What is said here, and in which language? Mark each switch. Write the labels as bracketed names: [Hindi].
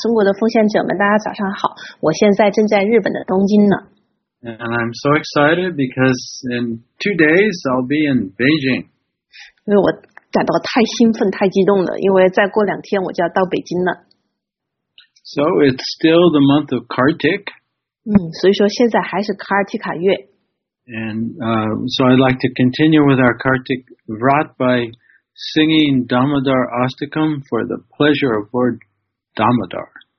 [Chinese] 中国的奉献者们，大家早上好。我现在正在日本的东京呢。 [English] And I'm so excited because in 2 days I'll be in Beijing. [Chinese] 因为我感到太兴奋、太激动了，因为再过两天我就要到北京了。 [English] So it's still the month of Kartik. [Chinese] 所以说现在还是卡尔提卡月。 [English] And so I'd like to continue with our Kartik Vrat by singing Damodar Astakam for the pleasure of Lord Damodar.